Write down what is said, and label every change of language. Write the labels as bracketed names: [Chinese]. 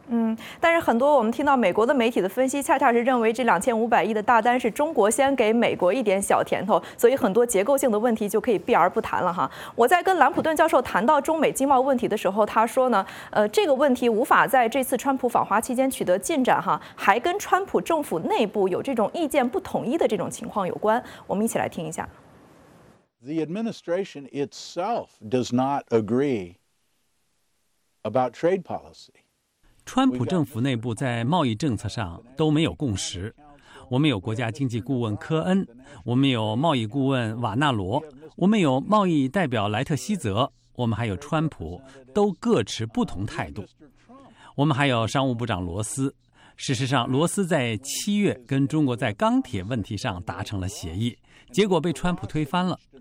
[Chinese] 嗯，但是很多我们听到美国的媒体的分析，恰恰是认为这2500亿的大单是中国先给美国一点小甜头，所以很多结构性的问题就可以避而不谈了哈。我在跟兰普顿教授谈到中美经贸问题的时候，他说呢，这个问题无法在这次川普访华期间取得进展哈，还跟川普政府内部有这种意见不统一的这种情况有关。我们一起来听一下。 [English] The administration itself does not agree about trade policy. [Chinese] 川普政府内部在贸易政策上都没有共识。我们有国家经济顾问科恩，我们有贸易顾问瓦纳罗，我们有贸易代表莱特希泽，我们还有川普，都各持不同态度。我们还有商务部长罗斯。事实上，罗斯在七月跟中国在钢铁问题上达成了协议，结果被川普推翻了。